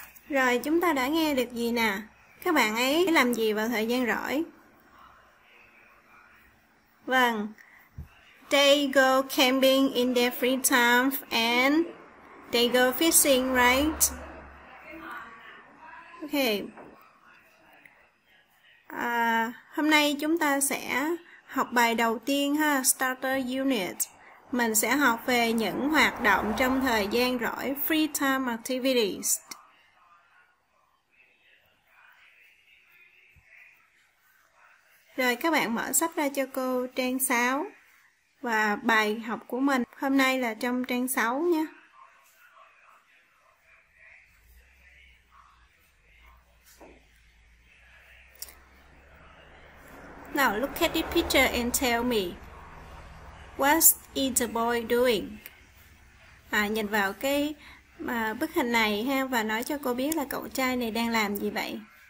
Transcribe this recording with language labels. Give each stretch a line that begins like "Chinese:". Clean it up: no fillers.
Vietnamese: Rồi, chúng ta đã nghe được gì nè? Các bạn ấy làm gì vào thời gian rỗi? Vâng,
English: they go camping in their free time and they go fishing, right? Okay.
Vietnamese: Hôm nay chúng ta sẽ học bài đầu tiên ha,
English: Starter Unit.
Vietnamese: Mình sẽ học về những hoạt động trong thời gian rỗi,
English: free time activities.
Vietnamese: Rồi các bạn mở sách ra cho cô trang 6. Và bài học của mình hôm nay là trong trang 6 nha.
English: Now look at the picture and tell me, what is the boy doing?
Vietnamese: Nhìn vào cái bức hình này ha và nói cho cô biết là cậu trai này đang làm gì vậy?